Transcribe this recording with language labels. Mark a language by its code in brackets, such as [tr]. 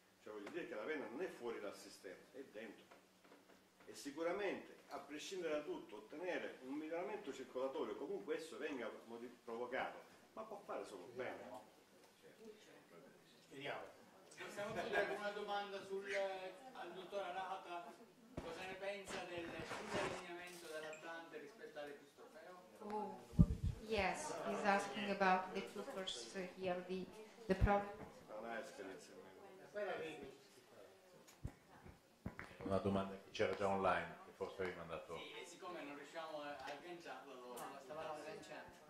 [it] Cioè voglio dire che la vena non è fuori dal sistema, è dentro. E sicuramente, a prescindere da tutto, ottenere un miglioramento circolatorio, comunque esso venga provocato, ma può fare solo bene. Vediamo. Possiamo chiedere una domanda al dottor Arata, cosa ne pensa del disallineamento della plante rispetto all'epistrofeo? [en] Yes, he's asking about the filters here, the problem. [it] Una domanda che c'era già online, che forse avevi mandato. Sì, e siccome non riusciamo a agganciarlo, lo stavamo agganciando.